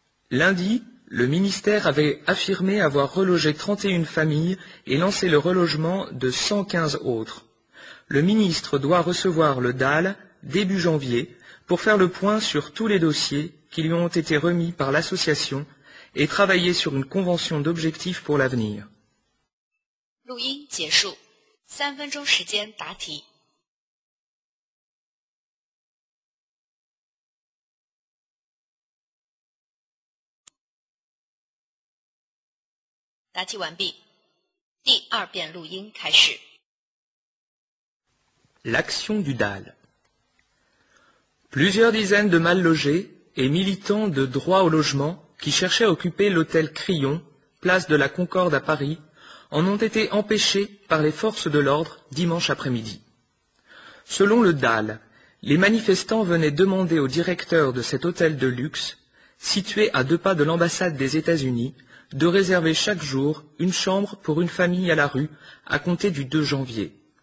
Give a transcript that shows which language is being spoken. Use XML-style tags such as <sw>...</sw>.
<fr>Lundi, le ministère avait affirmé avoir relogé 31 familles et lancé le relogement de 115 autres. Le ministre doit recevoir le DAL début janvier pour faire le point sur tous les dossiers qui lui ont été remis par l'association et travailler sur une convention d'objectifs pour l'avenir.</fr> <zh>录音结束，三分钟时间答题。答题完毕，第二遍录音开始。</zh> <fr>L'action du DAL. Plusieurs dizaines de mal logés et militants de droit au logement qui cherchaient à occuper l'hôtel Crillon, place de la Concorde à Paris,en ont été empêchés par les forces de l'ordre dimanche après-midi. Selon le DAL, les manifestants venaient demander au directeur de cet hôtel de luxe, situé à deux pas de l'ambassade des États-Unis, de réserver chaque jour une chambre pour une famille à la rue à compter du 2 janvier.</fr>